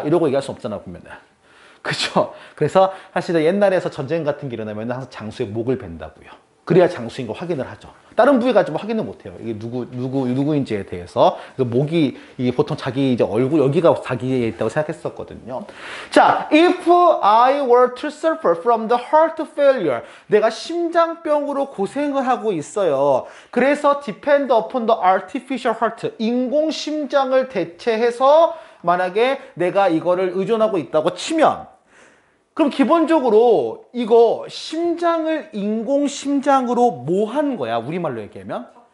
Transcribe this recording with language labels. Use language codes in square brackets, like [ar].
[ko] 이러고 얘기할 수 없잖아, 보면은. 그쵸? 그래서 사실 옛날에서 전쟁 같은 게 일어나면 항상 장수의 목을 벤다고요. 그래야 장수인 거 확인을 하죠. 다른 부위 가지고 확인을 못 해요. 이게 누구인지에 대해서. 그래서 목이, 이게 보통 자기 이제 얼굴, 여기가 자기에 있다고 생각했었거든요. [en] 자, if I were to suffer from the heart failure. [ko] 내가 심장병으로 고생을 하고 있어요. 그래서 [en] depend upon the artificial heart. [ko] 인공심장을 대체해서 만약에 내가 이거를 의존하고 있다고 치면, 그럼 기본적으로 이거 심장을 인공심장으로 뭐한 거야? 우리말로 얘기하면?